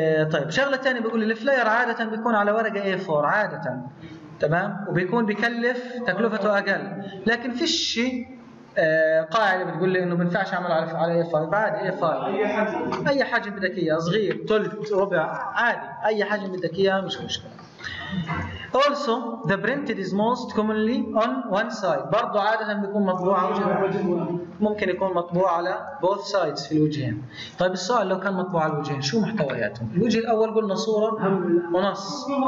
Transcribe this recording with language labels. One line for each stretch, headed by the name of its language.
Arabic: طيب شغلة تانية بيقول الفلاير عادة بيكون على ورقة A4 عادة، تمام، وبيكون بيكلف تكلفته أقل، لكن في شيء قاعدة بتقول لي إنه بنفعش أعمل على A5 بعد A5 أي حاجة بدك إياها، صغير ثلث ربع عادي أي حاجة بدك إياها مش مشكلة.
English: Also the printed is most commonly on one side.
Arabic: برضو عادة بيكون مطبوع على وجهين. ممكن يكون مطبوع على
English: both sides
Arabic: في الوجهين. طيب السؤال لو كان مطبوع على الوجهين شو محتوياتهم؟ الوجه الأول قلنا صورة ونص.